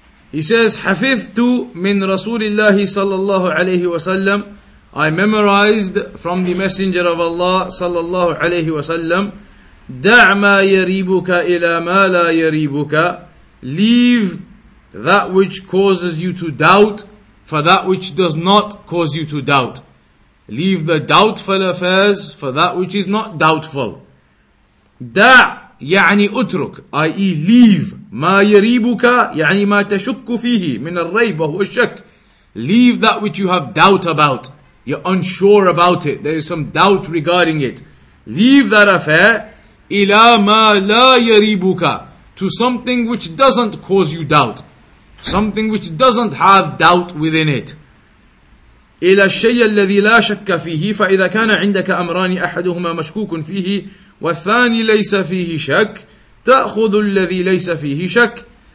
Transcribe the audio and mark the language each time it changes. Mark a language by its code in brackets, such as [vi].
[en] He says, [ar] حفظتُ من رسول الله صلى الله عليه وسلم, [en] I memorized from the Messenger of Allah صلى الله عليه وسلم, [ar] دع ما يريبك إلى ما لا يريبك, [en] leave that which causes you to doubt for that which does not cause you to doubt. Leave the doubtful affairs for that which is not doubtful. Da [ar] يعني اترك, [en] i.e. leave. [ar] ما يريبك يعني ما تشك فيه من الريب وهو الشك. [en] Leave that which you have doubt about. You're unsure about it. There is some doubt regarding it. Leave that affair [ar] إلى ما لا يريبك, [en] to something which doesn't cause you doubt. Something which doesn't have doubt within it. [ar] إلى الشيء الذي لا شك فيه فإذا كان عندك أمران أحدهما مشكوك فيه والثاني ليس فيه شك تأخذ الذي ليس فيه شك.